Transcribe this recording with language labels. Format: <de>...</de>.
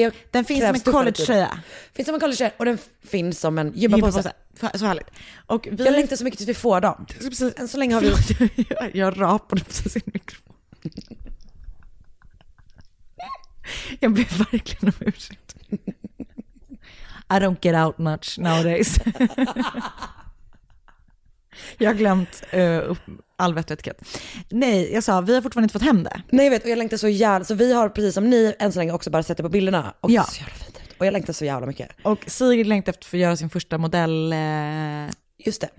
<sv>Den finns som en college-tröja. Finns som en college-tröja och den finns som en gympapåse. Så härligt. Och vi... Jag längtar så mycket tills vi får dem. Precis. Än så länge har vi... Jag rapade precis in i mikrofon. Jag blir verkligen om ursäkt.</sv> <en>I don't get out much nowadays.</en> <sv>Jag har glömt all vett och etikett. Nej, jag sa, vi har fortfarande inte fått hem det. Nej, jag vet, och jag längtar så jävla. Så vi har precis som ni än så länge också bara sett det på bilderna. Och ja. Så jävla fint ut. Och jag längtar så jävla mycket. Och Sigrid längtar efter att göra sin första modell... Just det.</sv>